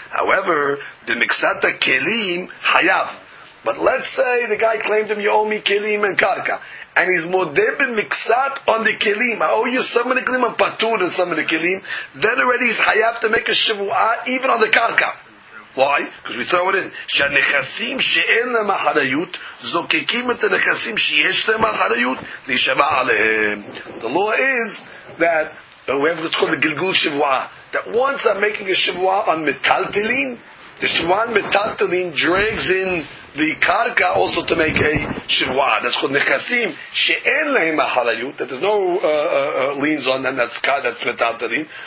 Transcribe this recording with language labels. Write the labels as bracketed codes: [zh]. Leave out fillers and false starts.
[en] However, b'miksat kelim hayav. But let's say the guy claimed him, you owe me kelim and karka. And he's modeh b'miksat on the kelim. I owe you some of the kelim and patur and some of the kelim. Then already he's hayav to make a shivua even on the karka. Why? Because we throw it in. [he] שהנכסים שאין להם אחריות זוקקים את הנכסים שיש להם אחריות להישבע עליהם. [en] The law is that we have what's called the גלגול שבועה. That once I'm making a שבועה on מטלטלין, this one מטלטלין drags in the קרקע also to make a שבועה. That's called נכסים שאין להם אחריות, that there's no liens on them, that's מטלטלין.